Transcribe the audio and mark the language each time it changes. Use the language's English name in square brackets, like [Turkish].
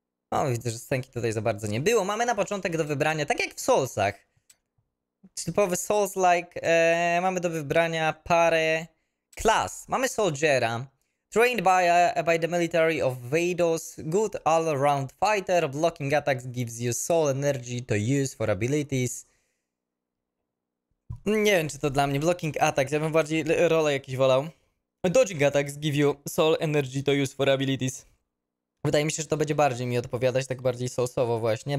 [Polish] O, widzę, że scenki tutaj za bardzo nie było. Mamy na początek do wybrania, tak jak w Soulsach. Typowy Souls-like. Mamy do wybrania parę klas. Mamy Soldiera. [English] Trained by the military of Vados. Good all-around fighter. Blocking attacks gives you soul energy to use for abilities. [Polish] Nie wiem, czy to dla mnie. [English] Blocking attacks. [Polish] Ja bym bardziej rolę jakiś wolał. [English] Dodging attacks give you soul energy to use for abilities. [Polish] Wydaje mi się, że to będzie bardziej mi odpowiadać, tak bardziej sosowo właśnie.